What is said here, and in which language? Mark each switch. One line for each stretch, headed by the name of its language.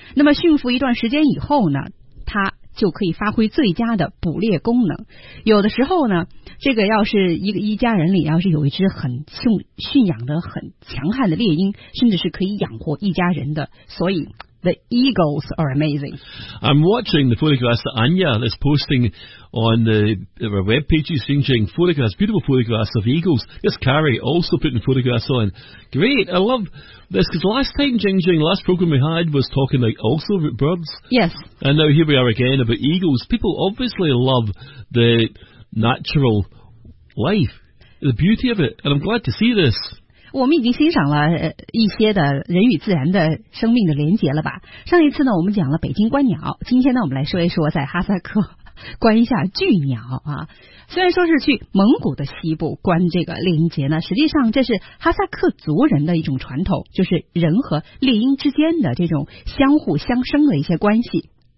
Chinese: 那么驯服一段时间以后呢，它就可以发挥最佳的捕猎功能。有的时候呢，这个要是一家人里要是有一只很驯养的很强悍的猎鹰，甚至是可以养活一家人的。
English: 所以 the eagles are amazing. I'm watching the photographs that Anya is posting on the web page. She's featuring photographs, beautiful photographs of eagles. Yes, Carrie also putting photographs on. Great, I love. This, because last time, Jing Jing, last program we had was talking like also about birds. Yes. And now here we are again about eagles. People obviously love the natural life, the beauty of it, and I'm glad to see this.
Chinese: 我们已经欣赏了一些的人与自然的生命的连结了吧。上一次呢，我们讲了北京观鸟，今天呢，我们来说一说在哈萨克观一下巨鸟啊。虽然说是去蒙古的西部观这个猎鹰节呢，实际上这是哈萨克族人的一种传统，就是人和猎鹰之间的这种相互相生的一些关系。